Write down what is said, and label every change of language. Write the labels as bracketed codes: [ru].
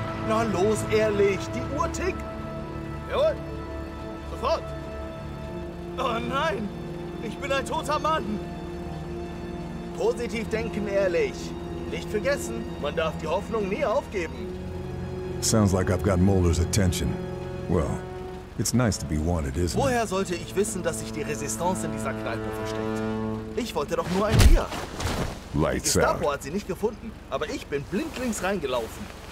[de] Na los, ehrlich, die Uhr tickt. Jawohl, sofort. Oh nein, ich bin ein toter Mann. Positiv denken, ehrlich. Nicht vergessen, man darf die Hoffnung nie aufgeben. [en] Sounds like I've got Mulder's attention. Well, it's nice to be wanted, isn't it? [de] Woher sollte ich wissen, dass sich die Resistance in dieser Kneipe versteckt? Ich wollte doch nur ein Bier. [en] Lights [de] out. Die Gestapo hat sie nicht gefunden, aber ich bin blindlings reingelaufen.